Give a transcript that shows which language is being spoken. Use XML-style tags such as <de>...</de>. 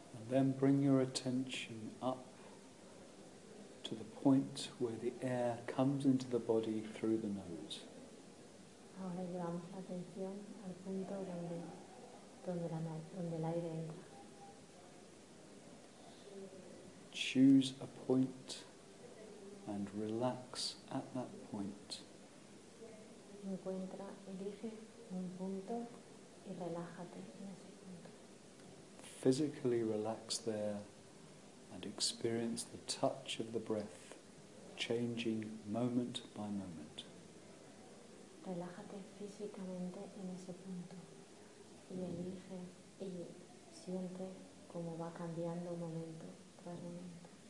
<en>then bring your attention up to the point where the air comes into the body through the nose.</en> <es>Ahora llevamos la atención al punto donde el aire entra.</es> <en>Choose a point and relax at that point.</en> <es>Encuentra, elige un punto y relájate en ese punto.</es> <en>Physically relax there and experience the touch of the breath changing moment by moment.</en> <es>Relájate físicamente en ese punto y elige y siente cómo va cambiando momento tras momento.</es>